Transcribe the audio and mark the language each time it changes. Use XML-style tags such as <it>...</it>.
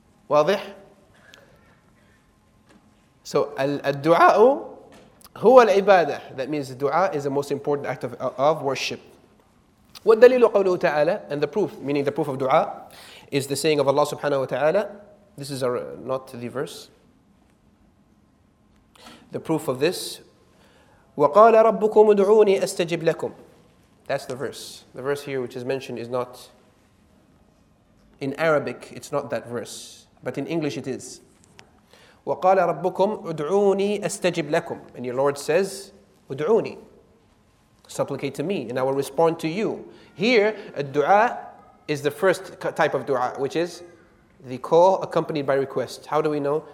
<ar>واضح؟</ar> <en>So</en> <ar>الدعاء هو العبادة.</ar> <en>That means الدعاء is the most important act of worship.</en> <ar>والدليل قوله تعالى,</ar> <en>and the proof, meaning the proof of دعاء, is the saying of Allah subhanahu wa ta'ala. This is not the verse. The proof of this,</en> <ar>وقال ربكم ادعوني استجب لكم.</ar> <en>That's the verse. The verse here which is mentioned is not in Arabic, it's not that verse. But in English it is.</en> <ar>وَقَالَ رَبُّكُمْ اُدْعُونِي أَسْتَجِبْ لَكُمْ.</ar> <en>And your Lord says, اُدْعُونِي. Supplicate to me and I will respond to you. Here, الدُّعَاء is the first type of dua, which is the call accompanied by request. How do we know?</en>